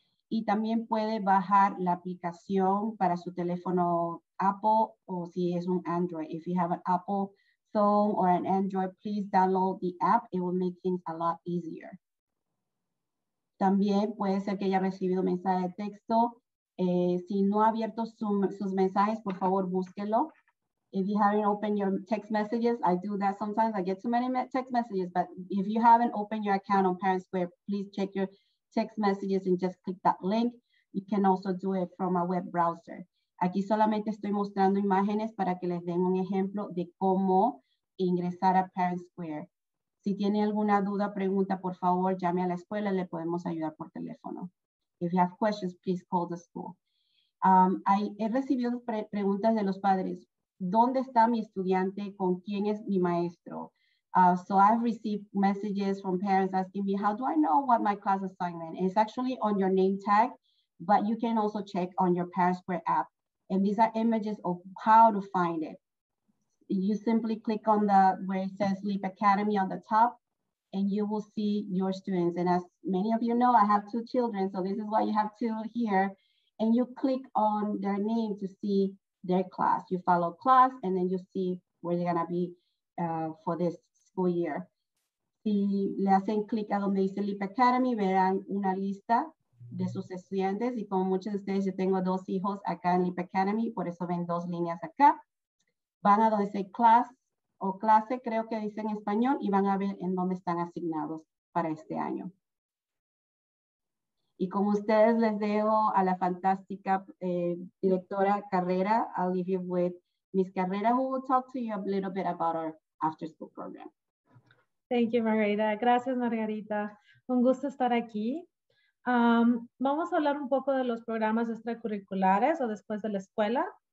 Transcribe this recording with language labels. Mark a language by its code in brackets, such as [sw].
[es] Y también puede bajar la aplicación para su teléfono Apple o si es un Android. [en] If you have an Apple phone or an Android, please download the app. It will make things a lot easier. [es] También puede ser que haya recibido mensaje de texto. Si no ha abierto sus mensajes, por favor, búsquelo. [en] If you haven't opened your text messages, I do that sometimes. I get too many text messages. But if you haven't opened your account on Parent Square, please check your text messages and just click that link. You can also do it from a web browser. [es] Aquí solamente estoy mostrando imágenes para que les den un ejemplo de cómo ingresar a Parent Square. Si tiene alguna duda, pregunta, por favor, llame a la escuela, le podemos ayudar por teléfono. [en] If you have questions, please call the school. [es] He recibido preguntas de los padres. ¿Dónde está mi estudiante? ¿Con quién es mi maestro? [en] So I've received messages from parents asking me, how do I know what my class assignment is? It's actually on your name tag, but you can also check on your ParentSquare app. And these are images of how to find it. You simply click on the where it says Leap Academy on the top and you will see your students. And as many of you know, I have two children. So this is why you have two here. And you click on their name to see their class. You follow class and then you see where they're gonna be for this school year. [es] Si le hacen click a donde dice Leap Academy, verán una lista de sus estudiantes. Y como muchos de ustedes, yo tengo dos hijos acá en Leap Academy. Por eso ven dos líneas acá. Van a donde dice class o clase, creo que dice en español, y van a ver en dónde están asignados para este año. Y como ustedes les dejo a la fantástica directora Carrera, [en] I'll leave you with Ms. Carrera, who will talk to you a little bit about our after school program. Thank you, [es] Margarita. Gracias, Margarita. Un gusto estar aquí. Vamos a hablar un poco de los programas extracurriculares o después de la escuela.